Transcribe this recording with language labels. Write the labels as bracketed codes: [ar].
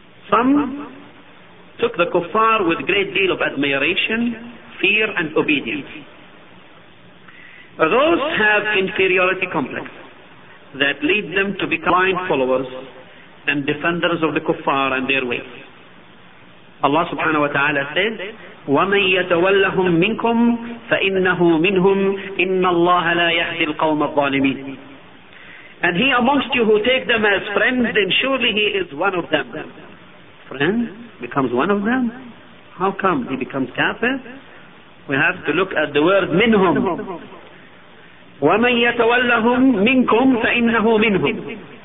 [en] Some took the kuffar with great deal of admiration, fear and obedience. Those have inferiority complex that lead them to become blind followers and defenders of the kuffar and their ways. Allah subhanahu wa ta'ala says, [ar] وَمَنْ يَتَوَلَّهُمْ مِنْكُمْ فَإِنَّهُ مِنْهُمْ إِنَّ اللَّهَ لَا يَهْدِي الْقَوْمَ الظَّالِمِينَ. [en] And he amongst you who take them as friends, then surely he is one of them. Friend becomes one of them? How come he becomes kafir? We have to look at the word مِنْهُمْ. [ar] وَمَنْ يَتَوَلَّهُمْ مِنْكُمْ فَإِنَّهُ مِنْهُمْ.